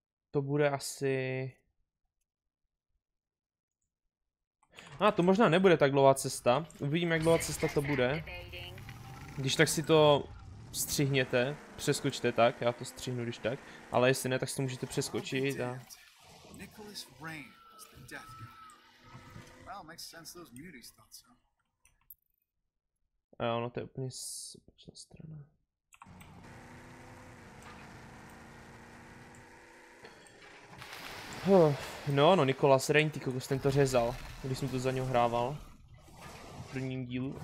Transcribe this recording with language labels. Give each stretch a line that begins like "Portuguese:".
Czech: To bude asi... to možná nebude tak dlouhá cesta. Uvidím, jak dlouhá cesta to bude. Když tak si to střihněte, přeskočte tak, já to střihnu když tak. Ale jestli ne, tak si to můžete přeskočit a...
English: Nicholas Rain is the death guy. Well, makes sense those muties thought so.
Czech: A ono to je úplně opačná strana. No, Nicholas Rain, ty kokos, ten to řezal. Když jsem to za něho hrával v prvním dílu.